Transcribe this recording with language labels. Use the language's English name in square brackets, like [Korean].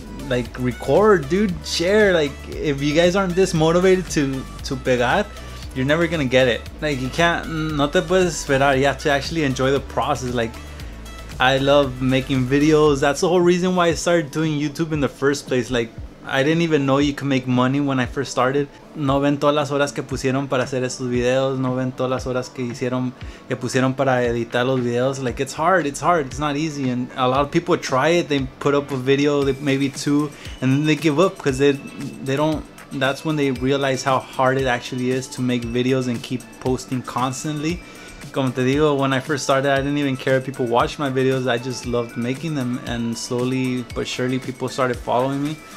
[English] Like record, dude. Share. Like, if you guys aren't this motivated to pegar, you're never gonna get it. Like, you can't, [Spanish] no te puedes esperar. [English] You have to actually enjoy the process. Like, I love making videos. That's the whole reason why I started doing YouTube in the first place. Like, I didn't even know you could make money when I first started. [Spanish] No ven todas las horas que pusieron para hacer estos videos. No ven todas las horas que pusieron para editar los videos. [English] Like, it's hard. It's not easy. And a lot of people try it. They put up a video, maybe two, and then they give up because they don't. That's when they realize how hard it actually is to make videos and keep posting constantly. [Spanish] Como te digo, [English] when I first started, I didn't even care if people watched my videos. I just loved making them. And slowly but surely, people started following me.